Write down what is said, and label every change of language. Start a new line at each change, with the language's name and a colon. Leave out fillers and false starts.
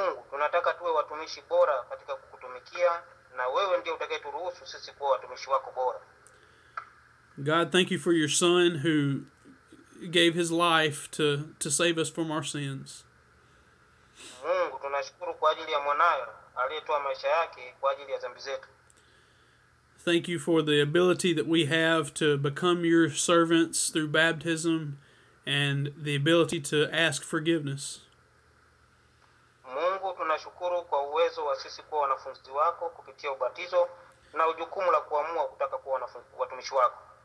Swahili: Tunataka tuwe watumishi bora katika kukutumikia, na wewe ndiye utakayeturuhusu sisi kuwa watumishi wako bora.
English: God, thank you for your son who gave his life to save us from our sins.
Swahili: Mungu, tunashukuru kwa ajili ya mwanao aliyetoa maisha yake kwa ajili ya dhambi zetu.
English: Thank you for the ability that we have to become your servants through baptism and the ability to ask forgiveness.
Swahili: Mungu, tunashukuru kwa uwezo wa sisi kuwa wanafunzi wako kupitia ubatizo na ujukumu la kuamua kutaka kuwa watumishi wako.